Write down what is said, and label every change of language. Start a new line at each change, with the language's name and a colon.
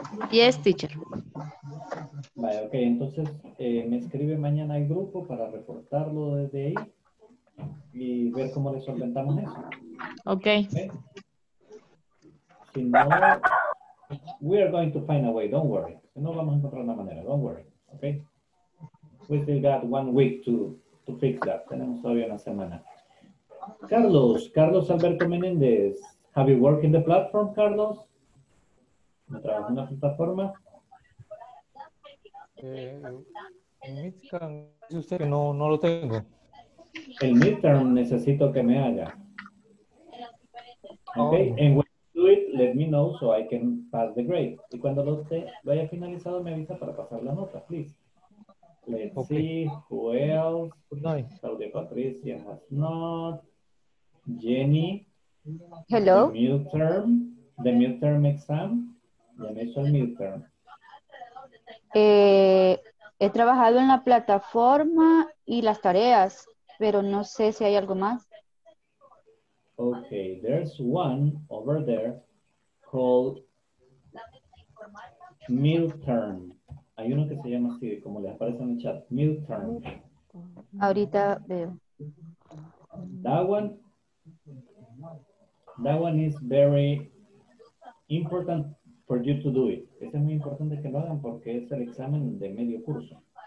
English: Yes, teacher.
Spanish: Vale, okay. Entonces, me escribe mañana al grupo para reportarlo desde ahí y ver cómo le solventamos eso.
English: Okay.
Spanish: Si no...
English: We are going to find a way, don't worry.
Spanish: No vamos a encontrar una manera,
English: don't worry. Okay? We still got 1 week to fix that.
Spanish: Tenemos todavía una semana. Carlos Alberto Menéndez.
English: Have you worked in the platform, Carlos?
Spanish: ¿No trabajas en la plataforma? El midterm, usted no lo tengo. El midterm necesito que me haga. Okay, oh.
English: And when you do it, let me know so I can pass the grade.
Spanish: Y cuando lo haya finalizado, me avisa para pasar la nota,
English: please. Let's okay. See, who else? No. Claudia Patricia has not. Jenny. Hello. The midterm exam.
Spanish: Ya me hizo el midterm. He trabajado en la plataforma y las tareas, pero no sé si hay algo más.
English: Okay, there's one over there called midterm.
Spanish: Hay uno que se llama así, como le aparece en el chat, midterm. Ahorita veo.
English: That one is very important for you to do it.
Spanish: Ese es muy importante que lo hagan porque es el examen de medio curso.